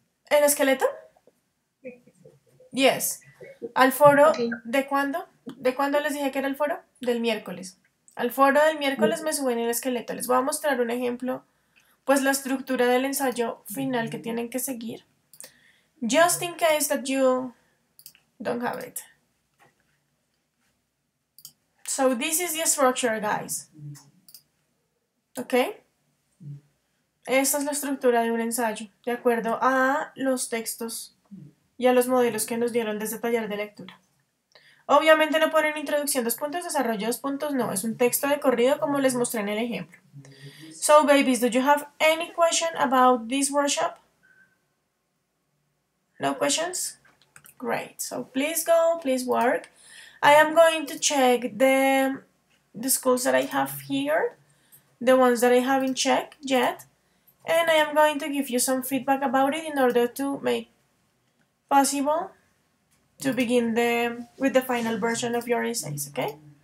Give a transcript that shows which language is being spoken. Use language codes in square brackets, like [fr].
[es] ¿El esqueleto? Yes. ¿Al foro? Okay. ¿De cuándo? ¿De cuándo les dije que era el foro? Del miércoles. Al foro del miércoles me suben el esqueleto. Les voy a mostrar un ejemplo, pues la estructura del ensayo final que tienen que seguir. [en] Just in case that you don't have it. So this is the structure, guys. Okay? [es] Esta es la estructura de un ensayo, de acuerdo a los textos y a los modelos que nos dieron desde taller de lectura. Obviamente no ponen introducción, 2 puntos, desarrollo, 2 puntos, no. Es un texto de corrido como les mostré en el ejemplo. [en] So, babies, do you have any question about this workshop? No questions? Great. So, please go, please work. I am going to check the schools that I have here, the ones that I haven't checked yet, and I am going to give you some feedback about it in order to make possible to begin with the final version of your essays, okay?